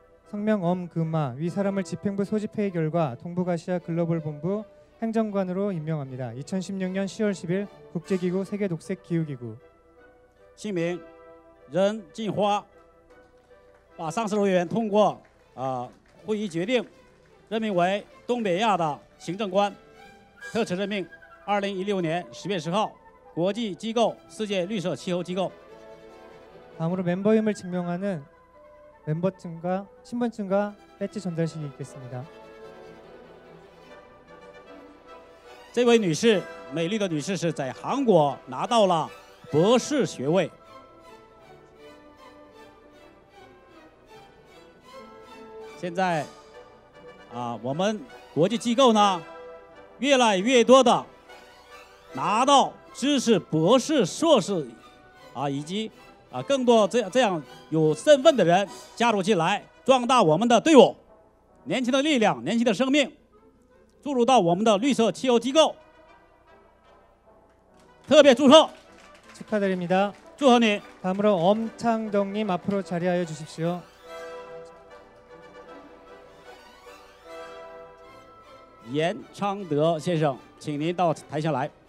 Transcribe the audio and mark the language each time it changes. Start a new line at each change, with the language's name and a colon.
Korean: 성명 엄금아 위 사람을 집행부 소집회의 결과 동북아시아 글로벌 본부 행정관으로 임명합니다. 2016년 10월 10일 국제기구 세계 녹색 기후 기구.
Chinese: 성명 任进花 把上市委员通过会议决定任命为东北亚的行政官特此任命
Korean: 2016년 10월 10일 국제기구 세계
Chinese: 绿色气候机构.
Korean: 다음으로 멤버임을 증명하는 멤버증과 신분증과 배지 전달식이 있겠습니다.
Chinese: 这位女士, 美丽的女士是在韩国拿到了博士学位. 现在, 我们国际机构呢，越来越多的拿到 知识博士硕士啊，以及啊，更多这样有身份的人加入进来，壮大我们的队伍，年轻的力量，年轻的生命，注入到我们的绿色汽油机构。特别祝贺，
Korean: 축하드립니다.
Chinese: 祝贺你。
Korean: 다음으로 엄창동님 앞으로 자리하여 주십시오.
Chinese: 严昌德先生，请您到台下来。